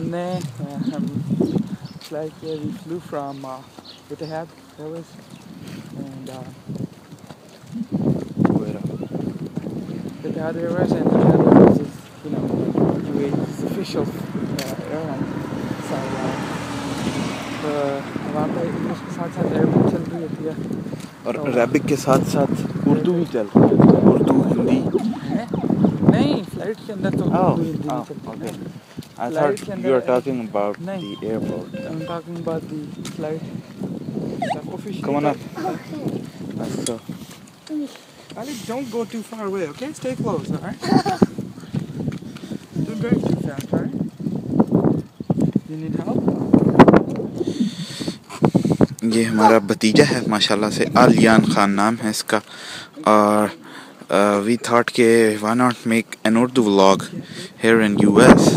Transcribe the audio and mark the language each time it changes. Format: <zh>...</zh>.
<en>It's like where we flew from with the hat. That was. And the other airways and the other airways is, you know, UAE's official airline.</en> <hi>So, वहाँ पे English के साथ साथ अरबी चल रही होती है और अरबी के साथ साथ उर्दू भी चल उर्दू हिंदी नहीं फ्लाइट के अंदर तो उर्दू हिंदी चलती है</hi> <en>I thought you are talking about the airport. I'm talking about the flight. Official. Come on up. So. Ali, don't go too far away, okay? Stay close, alright? Don't drive too fast, alright? You need help?</en> <hi>ये हमारा भतीजा है माशाल्लाह से आलियान खान नाम है इसका और</hi> <en>we thought</en> <hi>के</hi> <en>why not make an Urdu vlog here in US</en>